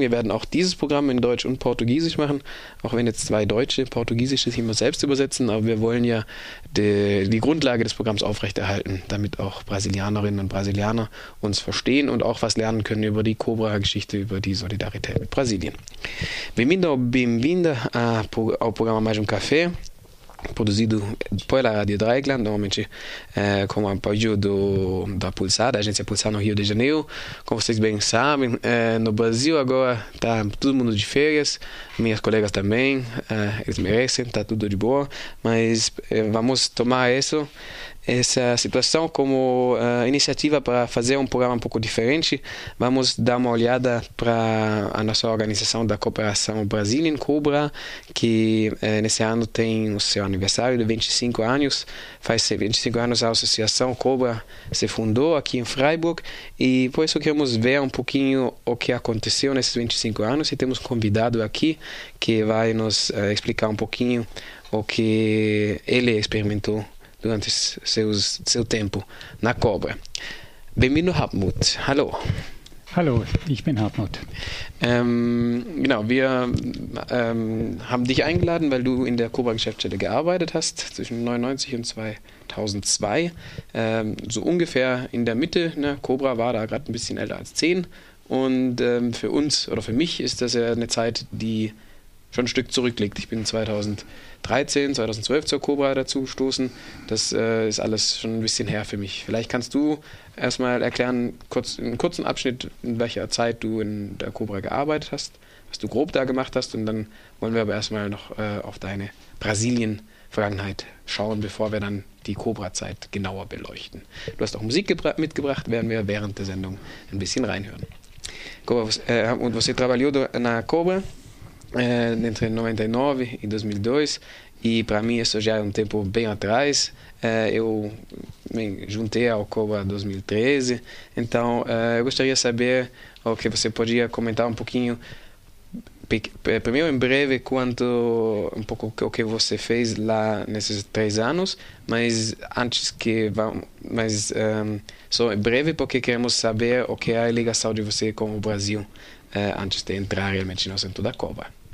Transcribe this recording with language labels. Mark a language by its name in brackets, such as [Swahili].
[German] Wir werden auch dieses Programm in Deutsch und Portugiesisch machen, auch wenn jetzt zwei Deutsche Portugiesisch das immer selbst übersetzen. Aber wir wollen ja die Grundlage des Programms aufrechterhalten, damit auch Brasilianerinnen und Brasilianer uns verstehen und auch was lernen können über die Cobra-Geschichte, über die Solidarität mit Brasilien. [Portuguese] Bem-vindo, bem-vinda ao programa Mais um Café. Produzido pela Rádio Dreieckland, normalmente com o apoio da Pulsar, da agência Pulsar no Rio de Janeiro. Como vocês bem sabem, no Brasil agora está todo mundo de férias, minhas colegas também, eles merecem, está tudo de boa, mas vamos tomar isso. Essa situação como iniciativa para fazer um programa um pouco diferente. Vamos dar uma olhada para a nossa organização da cooperação Brasilian Cobra, que nesse ano tem o seu aniversário de 25 anos. Faz 25 anos a associação Cobra se fundou aqui em Freiburg e por isso queremos ver um pouquinho o que aconteceu nesses 25 anos e temos um convidado aqui que vai nos explicar um pouquinho o que ele experimentou durante seu tempo na Cobra. Bem-vindo, Hartmut. Hallo. [German] Hallo, ich bin Hartmut. Genau, wir haben dich eingeladen, weil du in der Cobra-Geschäftsstelle gearbeitet hast, zwischen 99 und 2002. So ungefähr in der Mitte, ne? Cobra war da gerade ein bisschen älter als 10. Und für uns oder für mich ist das ja eine Zeit, die schon ein Stück zurückliegt. Ich bin 2013, 2012 zur Cobra dazu gestoßen. Das ist alles schon ein bisschen her für mich. Vielleicht kannst du erstmal erklären, einen kurzen Abschnitt, in welcher Zeit du in der Cobra gearbeitet hast, was du grob da gemacht hast. Und dann wollen wir aber erstmal noch auf deine Brasilien-Vergangenheit schauen, bevor wir dann die Cobra-Zeit genauer beleuchten. Du hast auch Musik mitgebracht, werden wir während der Sendung ein bisschen reinhören. [Portuguese] Cobra, und você trabalhou na Cobra? Entre 99 e 2002, e para mim isso já é um tempo bem atrás. Eu me juntei ao Cobra 2013, então eu gostaria de saber o que você podia comentar um pouquinho, primeiro em breve, quanto um pouco o que você fez lá nesses três anos, mas antes que vamos, mas só em breve, porque queremos saber o que é a ligação de você com o Brasil antes de entrar realmente no centro da Cobra.